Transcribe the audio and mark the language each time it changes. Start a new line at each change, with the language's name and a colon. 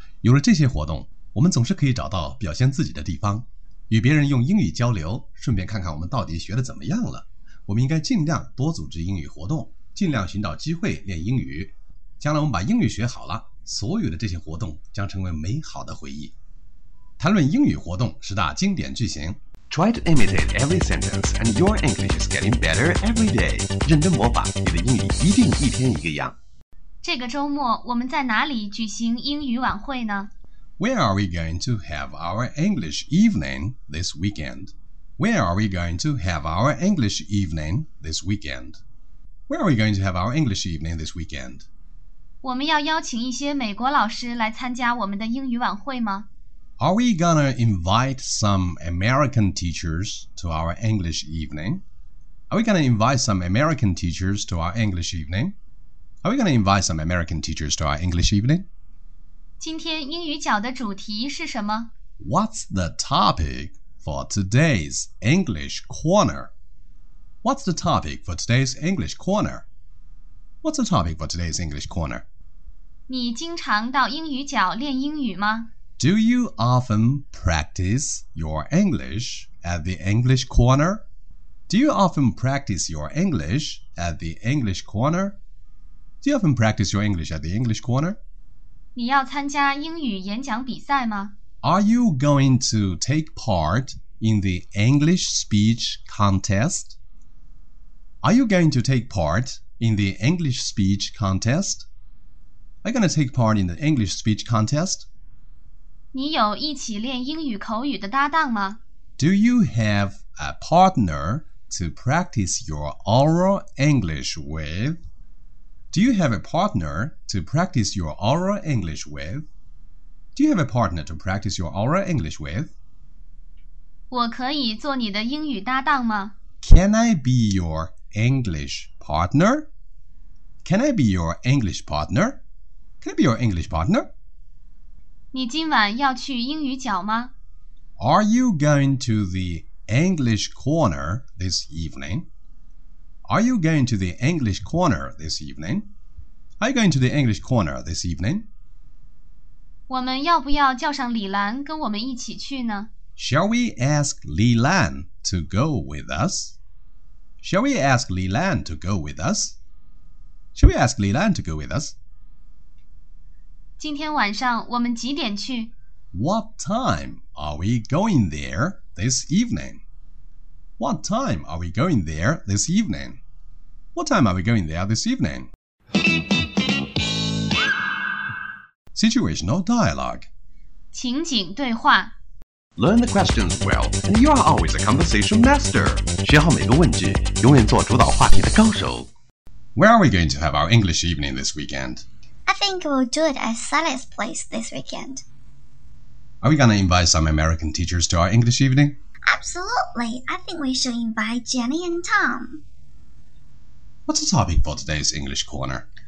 Chinese: 有了这些活动，我们总是可以找到表现自己的地方，与别人用英语交流，顺便看看我们到底学得怎么样了。我们应该尽量多组织英语活动，尽量寻找机会练英语。将来我们把英语学好了，所有的这些活动将成为美好的回忆。谈论英语活动十大经典句型。
English: Try to imitate every sentence and your English is getting better every day.
Chinese: 认真模仿，你的英语一定一天一个样。这个周末我们在哪里举行英语晚会呢？
English: Where are we going to have our English evening this weekend? Where are we going to have our English evening this weekend? Where are we going to have our English evening this weekend?
Chinese: 我们要邀请一些美国老师来参加我们的英语晚会吗？
English: Are we gonna invite some American teachers to our English evening? Are we gonna invite some American teachers to our English evening? Are we gonna invite some American teachers to our English evening?
Chinese: 今天英语角的主题是什么？
English: What's the topic for today's English corner? What's the topic for today's English corner? What's the topic for today's English corner?
Chinese: 你经常到英语角练英语吗?
English: Do you often practice your English at the English corner? Do you often practice your English at the English corner? Do you often practice your English at the English corner?
Chinese: 你要参加英语演讲比赛吗?
English: Are you going to take part in the English speech contest? Are you going to take part? In the English speech contest? Are you going to take part in the English speech contest?
Chinese: 你有一起练英语口语的搭档吗?
English: Do you have a partner to practice your oral English with? Do you have a partner to practice your oral English with? Do you have a partner to practice your oral English with?
Chinese: 我可以做你的英语搭档吗?
English: Can I be your English partner? Can I be your English partner? Can I be your English partner?
Chinese: 你今晚要去英语角吗?
English: Are you going to the English corner this evening? Are you going to the English corner this evening? Are you going to the English corner this evening?
Chinese: 我们要不要叫上李兰跟我们一起去呢?
English: Shall we ask Li Lan to go with us? Shall we ask Li Lan to go with us? Shall we ask Li Lan to go with us?
Chinese: 今天晚上我们几点去?
English: What time are we going there this evening? What time are we going there this evening? What time are we going there this evening? Situational dialogue.
Chinese: 情景对话
English: Learn the questions well, and you are always a conversation master.
Chinese: 学好每个问句，永远做主导话题的高手。
English: Where are we going to have our English evening this weekend? I think we'll do it at Sally's place this weekend. Are we going to invite some American teachers to our English evening? Absolutely. I think we should invite Jenny and Tom. What's the topic for today's English corner?